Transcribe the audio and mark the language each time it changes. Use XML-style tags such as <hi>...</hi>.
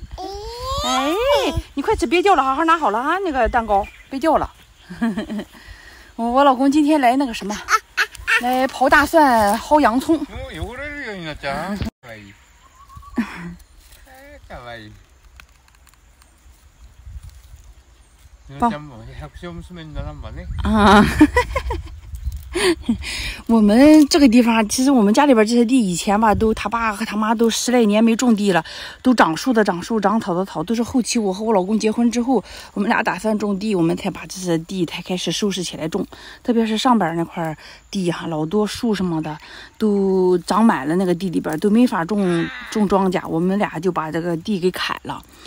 <zh>哎，你快吃，别掉了，好好拿好了啊！那个蛋糕别掉了。我老公今天来那个什么，来刨大蒜、薅洋葱。</zh> <ja>哦，汚れるよ、になちゃん。可愛い。可愛い。ちゃんも百姓娘にならんばね。啊。</ja> <zh>我们这个地方，其实我们家里边这些地以前吧，都他爸和他妈都十来年没种地了，都长树的长树，长草的草，都是后期我和我老公结婚之后，我们俩打算种地，我们才把这些地才开始收拾起来种。特别是上边那块地哈，老多树什么的都长满了，那个地里边都没法种庄稼，我们俩就把这个地给砍了。</zh>